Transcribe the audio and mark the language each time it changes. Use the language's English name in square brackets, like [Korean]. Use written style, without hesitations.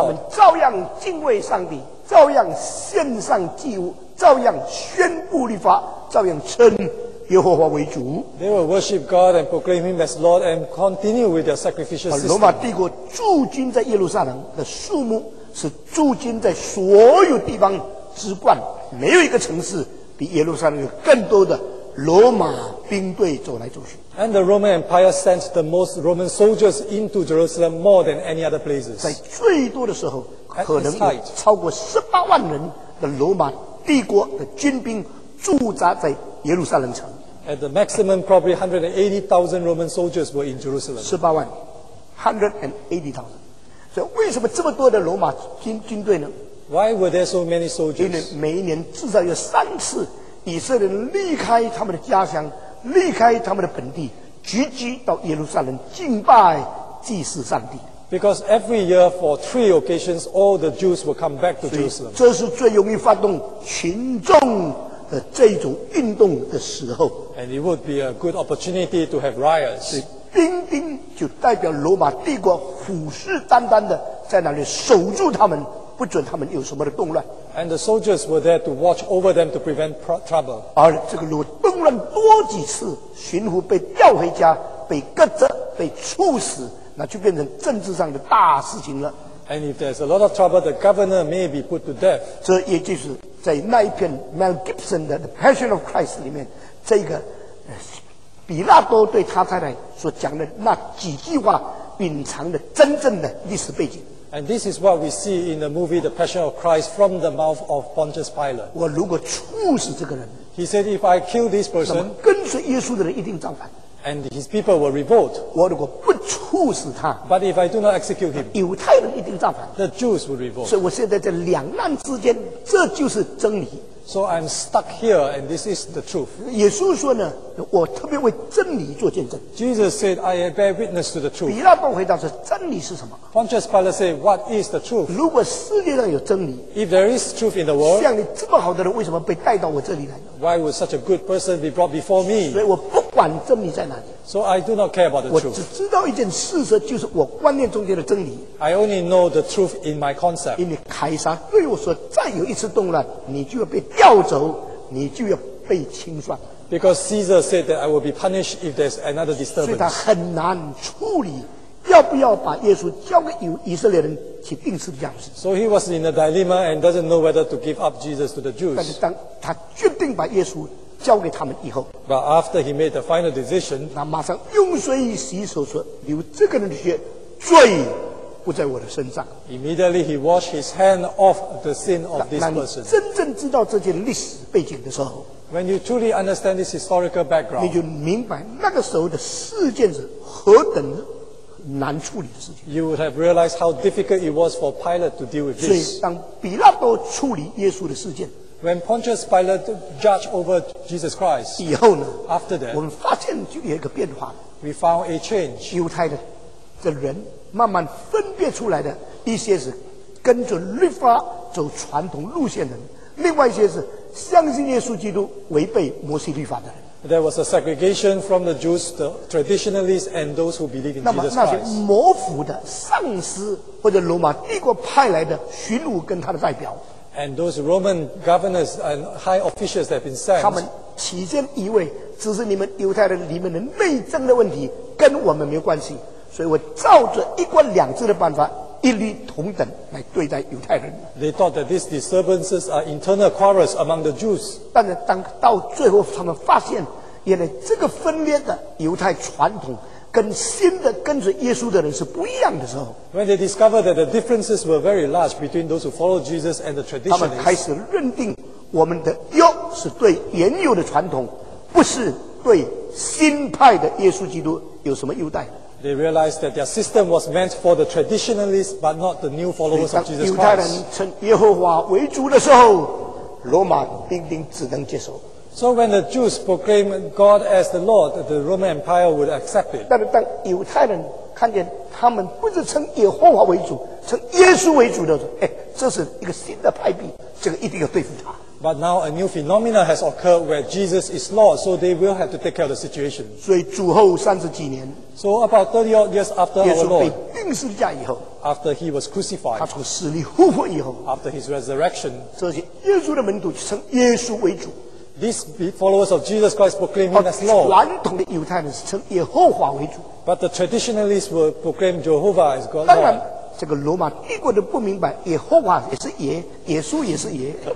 [Chinese] 他们照样敬畏上帝。照样献上祭物，照样宣布律法，照样称耶和华为主。 [English] They will worship God and proclaim Him as Lord and continue with their sacrificial system. [Chinese] 罗马帝国驻军在耶路撒冷的数目是驻军在所有地方之冠，没有一个城市比耶路撒冷有更多的罗马兵队走来走去。 [English] And the Roman Empire sent the most Roman soldiers into Jerusalem more than any other places. [Chinese] 在最多的时候。可能有超过180,000人的罗马帝国的军兵驻扎在耶路撒冷城。 [English] At the maximum, probably 180,000 Roman soldiers were in Jerusalem. 180,000. [Chinese] 所以为什么这么多的罗马军队呢 [English] ？Why were there so many soldiers？ [Chinese] 因为每一年至少有三次，以色列人离开他们的家乡，离开他们的本地，聚集到耶路撒冷敬拜祭祀上帝。 [English] Because every year for three occasions, all the Jews will come back to Jerusalem. [Chinese] 这是最容易发动群众的这种运动的时候。 [English] And it would be a good opportunity to have riots. [Chinese] 兵丁就代表罗马帝国虎视眈眈的在那里守住他们，不准他们有什么的动乱。 [English] And the soldiers were there to watch over them to prevent trouble. [Chinese] 而这个如果动乱多几次，巡抚被调回家，被革职，被处死。那就变成政治上的大事情了。 [English] And if there's a lot of trouble, the governor may be put to death. [Chinese] 这也就是在那一篇 Mel Gibson 的 The Passion of Christ 里面，这个比拉多对他太太所讲的那几句话隐藏的真正的历史背景。 [English] And this is what we see in the movie The Passion of Christ from the mouth of Pontius Pilate. [Chinese] 我如果处死这个人， [English] He said, if I kill this person, [Chinese] 跟随耶稣的人一定造反。 [English] And his people will revolt. [Chinese] 我如果不处死他， [English] But if I do not execute him, [Chinese] 犹太人一定造反。 [English] The Jews will revolt. [Chinese] 所以我现在在两难之间，这就是真理。 [English] So I'm stuck here, and this is the truth. [Chinese] 耶稣说呢，我特别为真理做见证。 [English] Jesus said, I bear witness to the truth. [Chinese] 比拉多回答说，真理是什么？ [English] Pontius Pilate said, What is the truth? [Chinese] 如果世界上有真理， [English] If there is truth in the world, [Chinese] 像你这么好的人，为什么被带到我这里来？ [English] Why would such a good person be brought before me? [Chinese] 所以我不管真理在哪里。 [English] So I do not care about the truth. [Chinese] 我只知道一件事实，就是我观念中间的真理。 [English] I only know the truth in my concept. [Chinese] 因为凯撒对我说，再有一次动乱，你就要被调走，你就要被清算。 [English] Because Caesar said that I will be punished if there's another disturbance. [Chinese] 所以他很难处理，要不要把耶稣交给以色列人去钉十字架。 [English] So he was in a dilemma and doesn't know whether to give up Jesus to the Jews. [Chinese] 但是当他决定把耶稣交给他们以后， [English] But after he made the final decision, [Chinese] 他马上用水洗手说，流这个人的血，罪不在我的身上。 [English] Immediately he washed his hand off the sin of this person. [Chinese] 真正知道这件历史背景的时候， [English] When you truly understand this historical background, [Chinese] 你就明白那个时候的事件是何等难处理的事情。 [English] You would have realized how difficult it was for Pilate to deal with this. [Chinese] 所以当比拉多处理耶稣的事件， [English] When Pontius Pilate judged over Jesus Christ, [Chinese] 以后呢， [English] after that, [Chinese] 我们发现就有一个变化。 [English] We found a change. [Chinese] 犹太的人慢慢分别出来的一些是跟着律法走传统路线的人，另外一些是相信耶稣基督违背摩西律法的人。 [English] There was a segregation from the Jews, the traditionalists, and those who believe in Jesus Christ. [Chinese] 那么那些模糊的上司或者罗马帝国派来的巡抚跟他的代表。 [English] And those Roman governors and high officials that have been sent, [Chinese] 他们起先以为只是你们犹太人里面的内政的问题，跟我们没有关系，所以我照着一国两制的办法，一律同等来对待犹太人。 [English] They thought that these disturbances are internal quarrels among the Jews. [Chinese] 但是当到最后，他们发现，原来这个分裂的犹太传统跟新的跟随耶稣的人是不一样的时候， [English] When they discovered that the differences were very large between those who followed Jesus and the traditionalists, [Chinese] 他们开始认定我们的忧是对原有的传统，不是对新派的耶稣基督有什么优待。 [English] They realized that their system was meant for the traditionalists, but not the new followers of Jesus Christ. [Chinese] 所以当犹太人称耶和华为主的时候，罗马兵丁只能接受。 [English] So when the Jews proclaim God as the Lord, the Roman Empire would accept it. [Chinese] 但是当犹太人看见他们不是称耶和华为主，称耶稣为主的时候，哎，这是一个新的派别，这个一定要对付他。 [English] But now a new phenomenon has occurred where Jesus is Lord, so they will have to take care of the situation. [Chinese] 所以主后三十几年， [English] So about 30 odd years after our Lord, [Chinese] 耶稣被钉十字架以后， [English] after he was crucified, [Chinese] 他从死里复活以后， [English] after his resurrection, [Chinese] 这些耶稣的门徒称耶稣为主。 [English] These followers of Jesus Christ proclaim him as Lord. [Chinese] 传统的犹太人是称耶和华为主。 [English] But the traditionalists will proclaim Jehovah as God. [Chinese] 当然，这个罗马帝国都不明白，耶和华也是耶，耶稣也是耶。